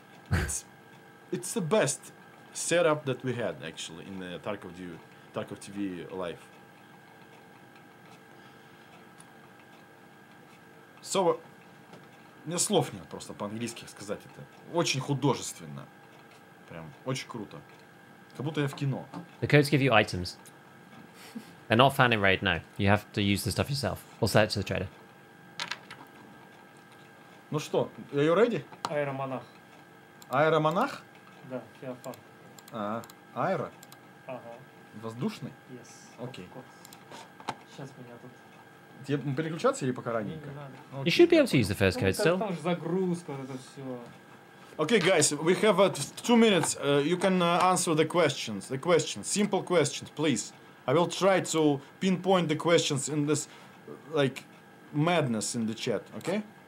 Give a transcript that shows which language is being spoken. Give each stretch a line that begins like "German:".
English: It's the best setup that we had, actually, in the Tarkov TV live.
Russian: So, у меня слов нет просто по-английски сказать это. Очень художественно. Прям очень круто. Как будто я в кино.
English: The codes give you items. They're not found in raid, no. You have to use the stuff yourself. We'll sell it to the trader.
Russian: Ну что,
English: are you ready?
Russian: Аэромонах. Аэромонах? Да, феофан. А, аэро? Ага. Воздушный?
English: Yes.
Russian: Окей. Сейчас меня тут... Тебе переключаться или пока раненько?
English: Okay, you should be able to use the first code still.
Russian: Там же загрузка, это все.
English: Okay, guys, we have 2 minutes. You can answer the questions. The questions, simple questions, please. I will try to pinpoint the questions in this, like, madness in the chat, okay?